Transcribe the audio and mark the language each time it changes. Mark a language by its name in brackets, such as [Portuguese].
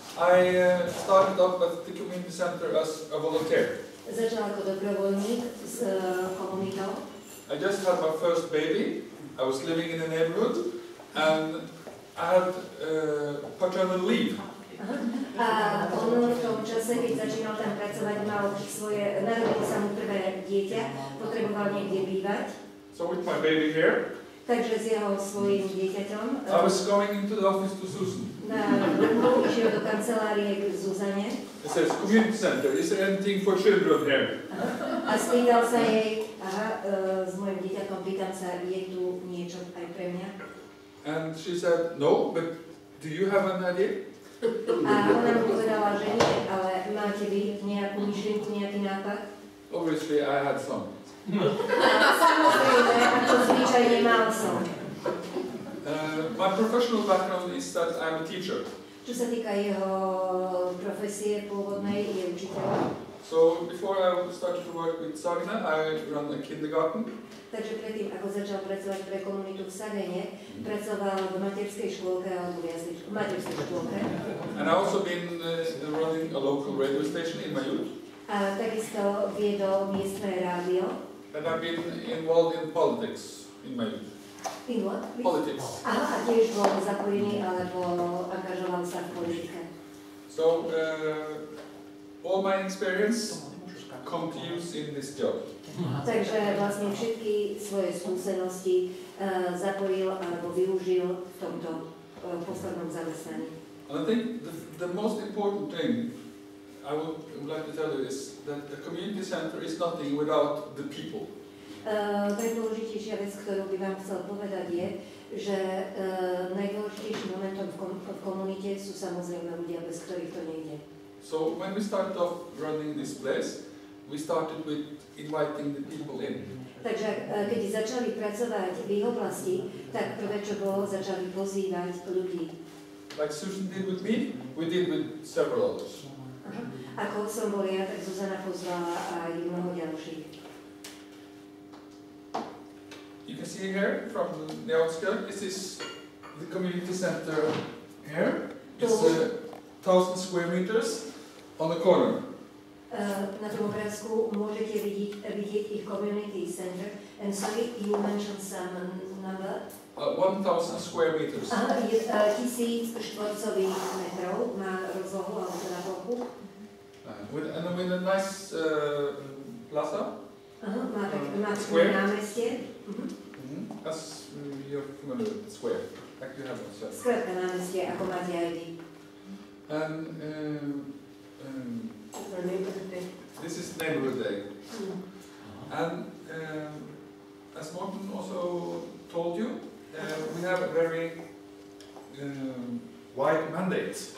[English] I started up at the community center as a volunteer. [Slovak] Začal ako dobrovoľník s komunitou. [English] I just had my first baby, I was living in a neighborhood, and I had paternal leave. [Slovak] A on v tom čase, keď začínal tam pracovať, mal svoje, narodil sa mu prvé dieťa, potreboval niekde bývať. [English] So with my baby here. [Slovak] Takže s jeho svojím dieťaťom. [English] I was going into the office to Susan. [Slovak] Na išiel do kancelárie k Zuzane. [English] He says, community center, is there anything for children here? [Slovak] A spýtal sa jej, s mojim dieťaťom, pýtam sa, je tu niečo aj pre mňa? [English] And she said, no, but do you have an idea? [Slovak] A ona mu povedala, že nie, ale máte vy nejakú myšlienku, nejaký nápad? [English] Obviously, I had some. [Slovak] Samozrejme, ako zvyčajne mal som. [English] My professional background is that I'm a teacher. [Slovak] Čo sa týka jeho profesie pôvodnej, je učiteľ. [English] So, before I started to work with Sagana, I ran a kindergarten. [Slovak] Takže predtým, ako začal pracovať pre komunitu v Sagane, pracoval v materskej škôlke alebo v materskej škôlke. [English] And I've also been running a local radio station in my youth. [Slovak] A takisto viedol miestne rádio. [English] And I've been involved in politics in my youth. In what? Politics. [Slovak] Aha, a tiež bol zapojený alebo angažoval sa v politike. [English] So, all my experience come to use in this job. [Slovak] Takže vlastne všetky svoje skúsenosti zapojil alebo využil v tomto poslednom zamestnaní. [English] I think the most important thing I would like to tell you is that the community center is nothing without the people. [Slovak] Najdôležitejšia vec, ktorú by vám chcel povedať je, že najdôležitejším momentom v komunite sú samozrejme ľudia, bez ktorých to nejde. [English] So when we started off running this place, we started with inviting the people in. [Slovak] Takže keď začali pracovať v jeho oblasti, tak prvé čo bolo, začali pozývať ľudí. [English] Like Susan did with me, we did with several others. [Slovak] Ako som bol ja, tak Zuzana pozvala aj mnoho ďalších. [English] You can see here from the outskirt, this is the community center here. It's 1,000 square meters on the corner. [Slovak] Na tom obrázku môžete vidieť ich community center. [English] And sorry, you mentioned some number. 1,000 square meters. [Slovak] Je 1,000 štvorcových metrov na rozlohu alebo teda plochu. [English] With a nice plaza. [Slovak] Má také námestie. [English] As you're familiar with the square. Like you have a square. [Slovak] Skvetka námestie, ako máte aj vy. [English] And this is neighborhood day. And as Martin also told you, we have a very wide mandate.